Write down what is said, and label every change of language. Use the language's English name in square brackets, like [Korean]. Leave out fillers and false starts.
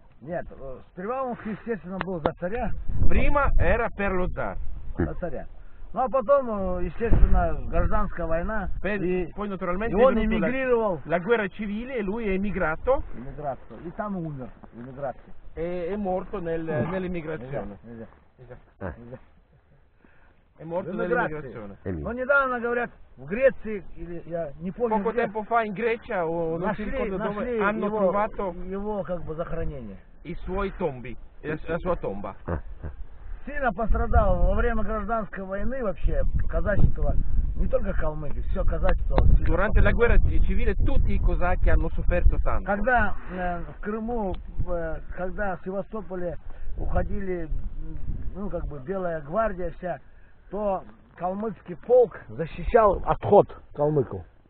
[Russian] Нет, сперва он, естественно, был за царя. [Italian] Prima era per lo zar. [Russian] За царя. Ну а потом, естественно, гражданская война. [Italian] Naturalmente, [Russian] и он эмигрировал. [Italian] La guerra civile, e lui è emigrato. [Russian] Эмигрировал. И там умер в эмиграции. [Italian] E è morto nell'emigrazione. È morto nell'emigrazione. [Russian] Но недавно говорят в Греции или я не помню. [Italian] Poco tempo fa in Grecia o non si ricorda dove hanno trovato [Russian] его как бы захоронение. [Italian] I suoi tombi, la sua tomba. [Russian] Сильно пострадал во время гражданской войны вообще казачество, не только калмыки, все казачество. [Italian] Durante la guerra civile tutti i cosacchi hanno sofferto tanto. [Russian] Когда в Крыму, когда в Севастополе уходили, ну как бы белая гвардия вся, то калмыцкий полк защищал отход калмыку.